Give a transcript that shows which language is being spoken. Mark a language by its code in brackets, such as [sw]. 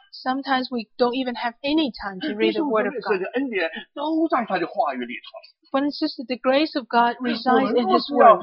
[en] Sometimes we don't even have any time to read the word of God. [zh] 这些恩典都在他的话语里头。 [en] But it's just that the grace of God resides in His word.